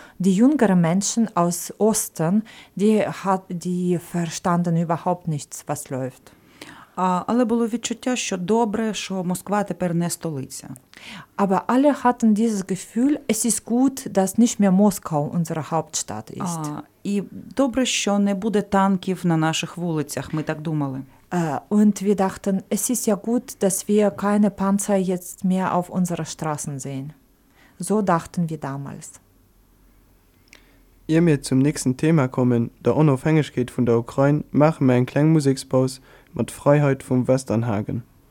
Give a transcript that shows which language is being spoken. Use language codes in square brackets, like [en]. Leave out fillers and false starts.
[de] Die jüngeren Menschen aus Osten, die verstanden überhaupt nichts, was läuft. [uk] Але було відчуття, що добре, що Москва тепер не столиця. [de] Aber alle hatten dieses Gefühl, es ist gut, dass nicht mehr Moskau unsere Hauptstadt ist. [uk] І добре, що не буде танків на наших вулицях, ми так думали. [de] Und wir dachten, es ist ja gut, dass wir keine Panzer jetzt mehr auf unseren Straßen sehen. So dachten wir damals. Ehe wir zum nächsten Thema kommen, der Unabhängigkeit von der Ukraine, machen wir einen kleinen Musikpause mit Freiheit vom Westernhagen.